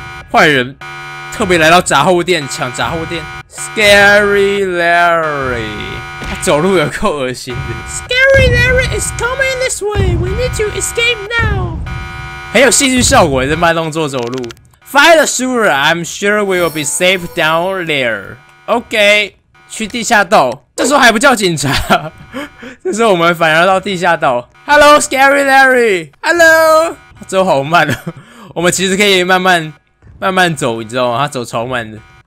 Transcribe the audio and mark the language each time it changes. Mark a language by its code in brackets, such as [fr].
[zh] 坏人特别来到杂货店抢杂货店。 Scary Larry， 他走路有够恶心的。 [en] Scary Larry is coming this way. We need to escape now. [zh] 很有戏剧效果，这慢动作走路。 [en] Find the sewer, I'm sure we will be safe down there. [zh] OK， 去地下道。这时候还不叫警察，这时候我们反而到地下道。 [en] Hello, Scary Larry. Hello， [zh] 走好慢啊。我们其实可以慢慢慢慢走，你知道吗？他走超慢的。